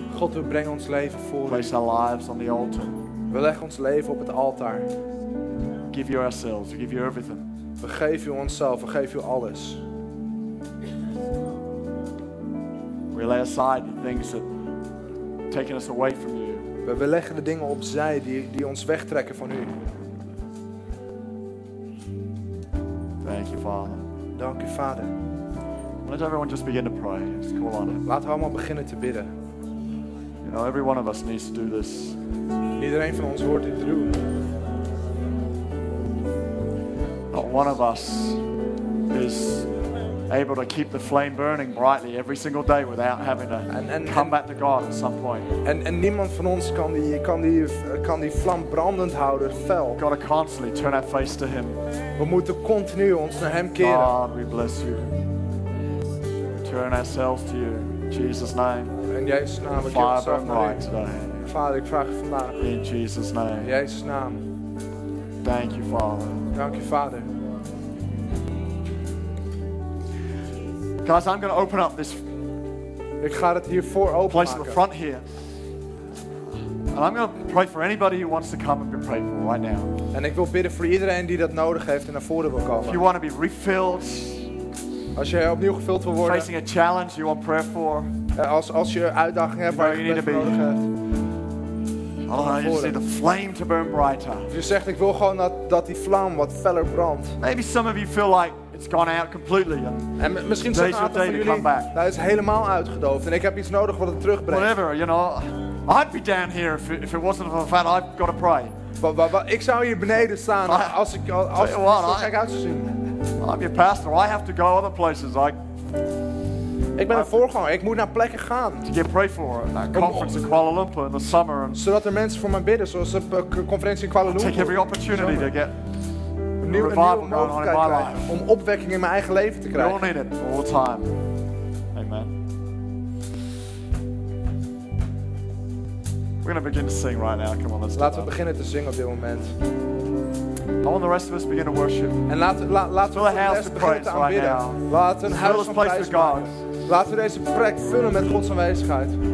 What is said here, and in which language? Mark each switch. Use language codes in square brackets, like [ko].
[nl] God, we brengen ons leven voor [en] u. Place our lives on the altar. [nl] We leggen ons leven op het altaar. [en] Give you ourselves. We give you everything. [nl] We geven u onszelf, we geven u alles. [en] We lay aside the things that taken us away from you. [nl] We leggen de dingen opzij die ons wegtrekken van u. [en] Thank you, Father. [nl] Dank u, Vader. [en] Let everyone just begin to pray. Just call on it. [nl] Laten we allemaal beginnen te bidden. [en] You know, every one of us needs to do this. [nl] Iedereen van ons hoort dit te doen. [en] Not one of us is able to keep the flame burning brightly every single day without having to come back to God at some point. [nl] And niemand van ons kan die vlam brandend houden fel. [en] We've got to constantly turn our face to Him. [nl] We moeten continu ons naar Hem keren. [en] God, we bless you. We turn ourselves to you, in Jesus' name. [nl] In Jezus' naam, [en] we fire burn bright today. [nl] Vader, ik vraag vandaag. [en] In Jesus' name. [nl] In Jezus' naam. [en] Thank you, Father. Thank you, Father. Guys, I'm going to open up this. [nl] Ik ga het hier voor open [en] place in the front here, and I'm going to pray for anybody who wants to come and be prayed for right now. [nl] En ik wil bidden voor iedereen die dat nodig heeft en naar voren wil komen. [en] If you want to be refilled, [nl] als jij opnieuw gevuld wil worden, [en] facing a challenge you want prayer for, [nl] als je uitdaging hebt waar je [en] need to be. [nl] Nodig hebt. [en] Oh, you just need the flame to burn brighter. [nl] Je zegt, ik wil gewoon dat die vlam wat feller brandt. [en] Maybe some of you feel like it's gone out completely. [nl] En misschien zijn er aantal van jullie, dat is helemaal uitgedoofd. En ik heb iets nodig wat het terugbrengt. [en] Whatever, you know, I'd be down here if it wasn't for the fact I've got to pray. [nl] But ik zou hier beneden staan als het zo gek uit zou zien. [en] I'm your pastor. I have to go other places. [nl] Ik ben een voorganger. Ik moet naar plekken gaan. [en] To get prayed for at that conference in Kuala Lumpur in the summer. [nl] Zodat er mensen voor me bidden, zoals de conferentie in Kuala Lumpur. [en] Take every opportunity to get revival going on in my life. [nl] Om opwekking in mijn eigen leven te krijgen. [en] We all need it all the time. Amen. We're going to begin to sing right now. Come on, let's do [nl] that. Laten we beginnen te zingen op dit moment. [en] I want the rest of us begin to worship. [nl] En laten we de rest beginnen te aanbidden. Laat een huis van prijs maken. Laten we deze plek vullen met Gods aanwezigheid.